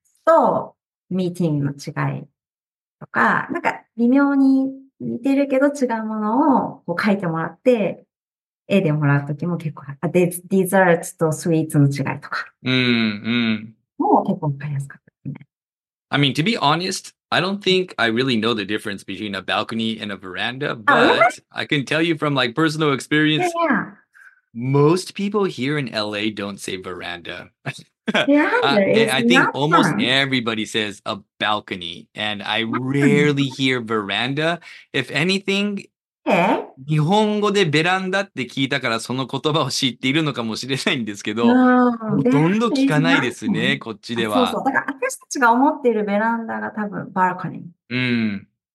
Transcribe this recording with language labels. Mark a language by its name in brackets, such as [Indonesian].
[Japanese] とミーティングの違いとか、なんか微妙に似てるけど違うものをこう描いてもらって、絵でもらうときも結構ある。デザーツとスイーツの違いとか。うん、うん。もう結構わかりやすかったね。 [English] I mean, to be honest, I don't think I really know the difference between a balcony and a veranda, but I can tell you from like personal experience, most people here in LA don't say veranda. I think almost everybody says a balcony, and I rarely hear veranda. If anything, [Japanese] 日本語でベランダって聞いたからその言葉を知っているのかもしれないんですけど、ほとんど聞かないですね、こっちでは。そうそう、だから私たちが思っているベランダが多分バルコニー。うん。